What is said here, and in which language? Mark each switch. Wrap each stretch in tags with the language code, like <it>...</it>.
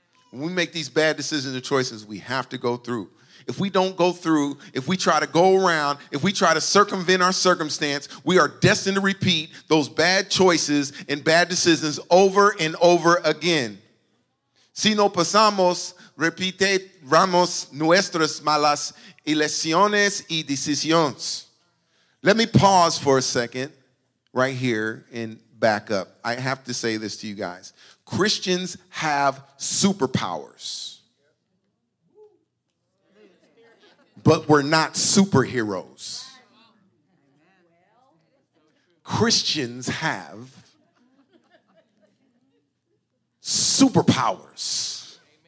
<en>When we make these bad decisions or choices, we have to go through. If we don't go through, if we try to go around, if we try to circumvent our circumstance, we are destined to repeat those bad choices and bad decisions over and over again.</en> <es>Si no pasamos, repetiremos nuestras malas elecciones y decisiones.</es> <en>Let me pause for a second right here and back up. I have to say this to you guys. Christians have superpowers. But we're not superheroes. Christians have superpowers.</en>